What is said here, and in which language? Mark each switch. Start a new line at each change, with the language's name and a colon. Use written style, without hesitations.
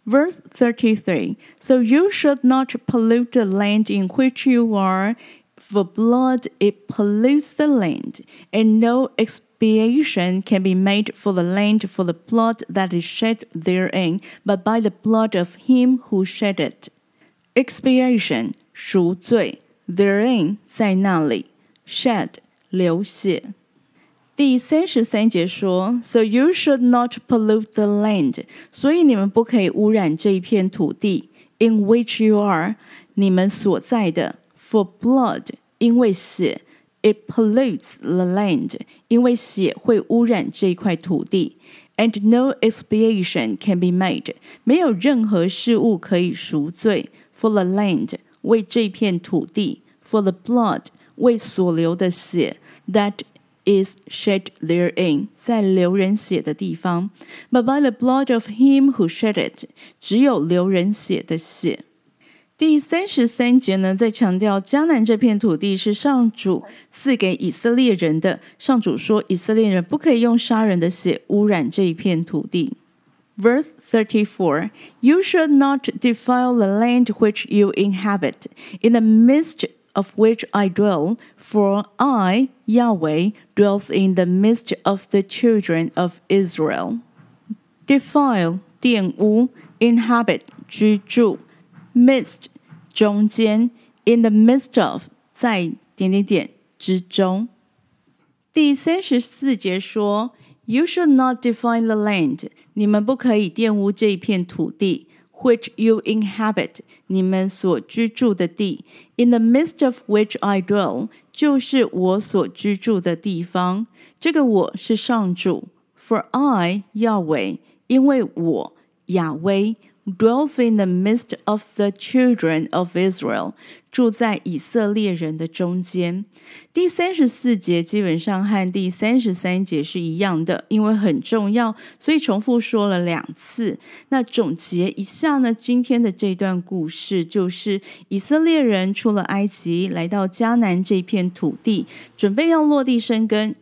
English: Verse 33, So you should not pollute the land in which you are, for blood it pollutes the land, and no expiation can be made for the land for the blood that is shed therein, but by the blood of him who shed it.
Chinese: Expiation, 赎罪 therein, 在那里 shed, 流血。第三十三节说
English: So you should not pollute the land,
Chinese: 所以你们不可以污染这一片土地
English: in which you are,
Chinese: 你们所在的
English: for blood,
Chinese: 因为血
English: It pollutes the land,
Chinese: 因为血会污染这块土地。
English: And no expiation can be made,
Chinese: 没有任何事物可以赎罪
English: for the land,
Chinese: 为这片土地
English: for the blood,
Chinese: 为所流的血
English: that is shed therein,
Chinese: 在流人血的地方
English: but by the blood of him who shed it,
Chinese: 只有流人血的血。第三十三节呢，在强调迦南这片土地是上主赐给以色列人的。上主说，以色列人不可以用杀人的血污染这一片土地。
English: Verse 34, You should not defile the land which you inhabit, in the midst of which I dwell, for I, Yahweh, dwells in the midst of the children of Israel.
Chinese: Defile, 玷污 inhabit, 居住。 Midst, 中间
English: in the midst of,
Chinese: 在点点点之中。
English: 第三十四节说 You should not define the land,
Chinese: 你们不可以玷污这一片土地
English: which you inhabit,
Chinese: 你们所居住的地
English: in the midst of which I dwell,
Chinese: 就是我所居住的地方。这个我是上主
English: for I, Yahweh,
Chinese: 因为我亚威
English: Dwells in the midst of the children of Israel,
Chinese: 住在以色列人的中间。第三十四节基本上和第三十三节是一样的，因为很重要，所以重复说了两次。那总结一下呢，今天的这段故事就是以色列人出了埃及，来到迦南这片土地，准备要落地生根。